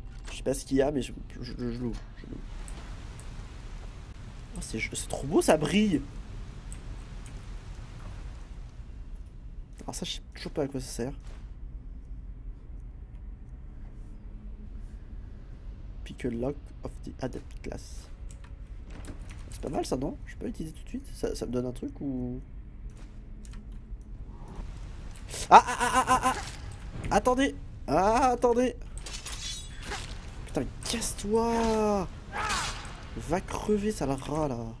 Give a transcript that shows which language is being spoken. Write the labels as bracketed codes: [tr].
[fr] Je sais pas ce qu'il y a, mais je l'ouvre. Oh, c'est trop beau, ça brille. Alors ça, je sais toujours pas à quoi ça sert. [en] Pick a lock of the adept class. [fr] C'est pas mal ça, non? Je peux utiliser tout de suite. Ça me donne un truc ou... Attendez! Ah, attendez! Putain, mais casse-toi! Va crever, sale rat, là!